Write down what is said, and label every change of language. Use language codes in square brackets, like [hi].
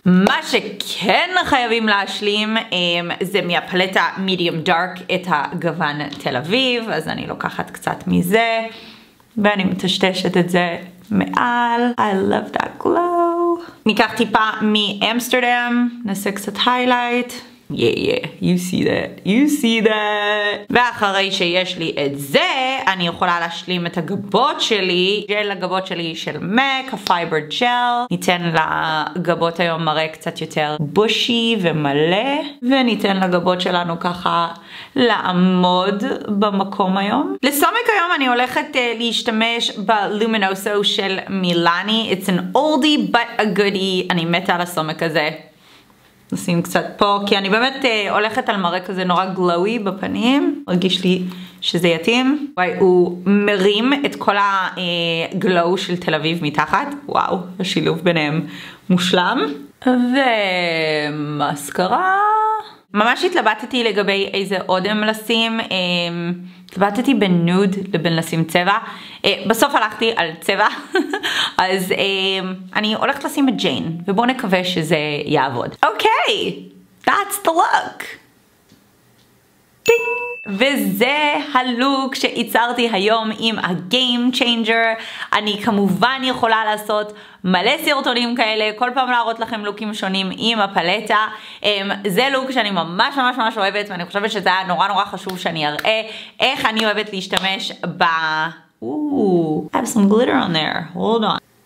[he] מה שכן חייבים להשלים זה מהפלטה מידיום דארק את הגוון תל אביב, אז אני לוקחת קצת מזה ואני מטשטשת את זה מעל. [en] I love that glow. [he] ניקח טיפה מאמסטרדם, נעשה קצת הילייט. [en] Yeah, yeah, you see that, you see that. [he] ואחרי שיש לי את זה, אני יכולה להשלים את הגבות שלי, ג'ל הגבות שלי של מק, הפייבר ג'ל. ניתן לגבות היום מראה קצת יותר בושי ומלא, וניתן לגבות שלנו ככה לעמוד במקום היום. לסומק היום אני הולכת להשתמש בלומינוסו של מילאני. [en] It's an oldie but a goodie. [he] אני מתה על הסומק הזה. נשים קצת פה, כי אני באמת הולכת על מראה כזה נורא גלווי בפנים. מרגיש לי שזה יתאים. וואי, הוא מרים את כל הגלו של תל אביב מתחת. וואו, השילוב ביניהם מושלם. ומסקרה. ממש התלבטתי לגבי איזה אודם לשים. התלבטתי בין נוד לבין לשים צבע. בסוף הלכתי על צבע. אז אני הולכת לשים את ג'יין, ובואו נקווה שזה יעבוד. [en] אוקיי, that's the look. טינג! [he] וזה הלוק שייצרתי היום עם ה-Game Changer. אני כמובן יכולה לעשות מלא סרטונים כאלה, כל פעם להראות לכם לוקים שונים עם הפלטה. זה לוק שאני ממש ממש ממש אוהבת, ואני חושבת שזה היה נורא נורא חשוב שאני אראה איך אני אוהבת להשתמש ב... [en] I have some glitter on there, hold on.